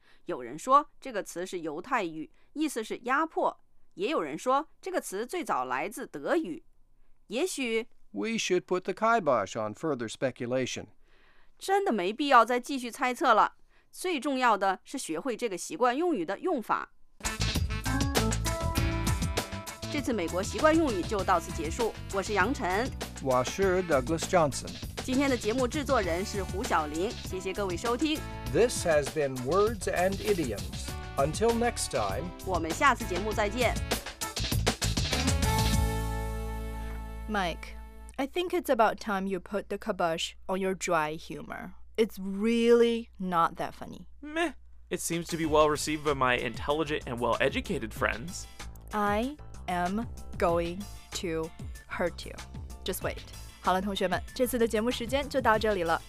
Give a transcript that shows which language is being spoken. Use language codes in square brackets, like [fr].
[zh] 有人说这个词是犹太语，意思是压迫，也有人说这个词最早来自德语。也许 [en] We should put the kibosh on further speculation. [zh] 真的没必要再继续猜测了，最重要的是学会这个习惯用语的用法。这次美国习惯用语就到此结束，我是杨晨，我是 Douglas Johnson。今天的节目制作人是胡晓玲，谢谢各位收听。 [en] This has been Words and Idioms. Until next time, [zh] 我们下次节目再见。 [en] Mike, I think it's about time you put the kibosh on your dry humor. It's really not that funny. Meh, it seems to be well received by my intelligent and well-educated friends. I am going to hurt you. Just wait. [zh] 好了，同学们，这次的节目时间就到这里了。